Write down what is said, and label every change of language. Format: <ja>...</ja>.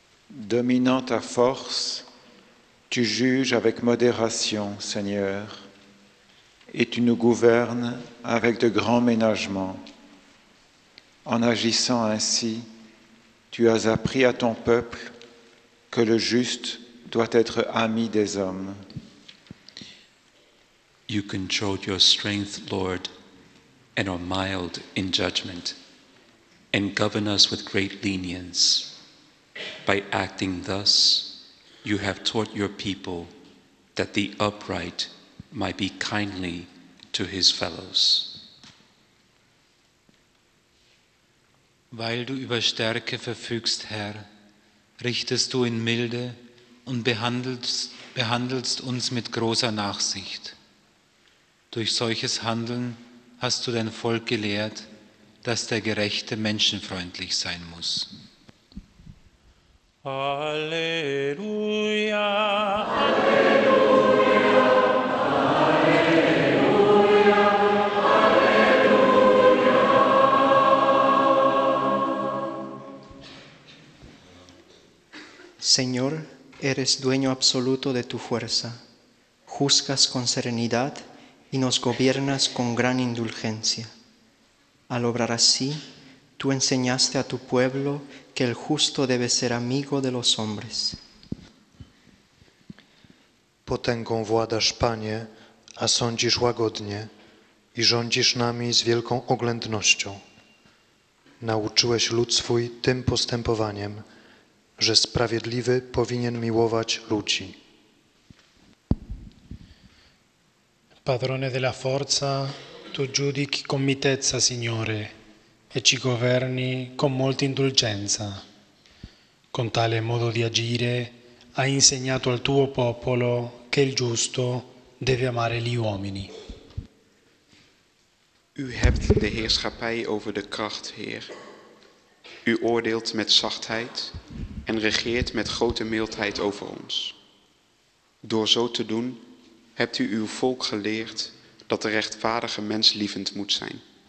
<fr>dominant ta force, tu juges avec modération, Seigneur, et tu nous gouvernes avec de grands ménagements. En agissant ainsi, tu as appris à ton peuple que le juste doit être ami des hommes.</fr> <en>You controlled your strength, Lord, and are mild in judgment, and govern us with great lenience. By acting thus, you have taught your people that the upright might be kindly to his fellows.</en> <de>Weil du über Stärke verfügst, Herr, richtest du in Milde und behandelst uns mit großer Nachsicht. Durch solches Handeln hast du dein Volk gelehrt, dass der Gerechte menschenfreundlich sein muss. Alleluia!</de> <es>Señor, eres dueño absoluto de tu fuerza. Juzgas con serenidad y nos gobiernas con gran indulgencia. Al obrar así, tú enseñaste a tu pueblo que el justo debe ser amigo de los hombres.</es> <pl>Potęgą władasz, Panie, a sądzisz łagodnie i rządzisz nami z wielką oględnością. Nauczyłeś lud swój tym postępowaniem, że sprawiedliwy powinien miłować ludzi.</pl> <it>Padrone della forza, tu giudichi con mitezza, Signore, e ci governi con molta indulgenza. Con tale modo di agire, hai insegnato al tuo popolo che il giusto deve amare gli uomini.</it> <nl>U hebt de heerschappij over de kracht, Heer. U oordeelt met zachtheid en regeert met grote mildheid over ons. Door zo te doen, hebt u uw volk geleerd dat de rechtvaardige mens lievend moet zijn.</nl>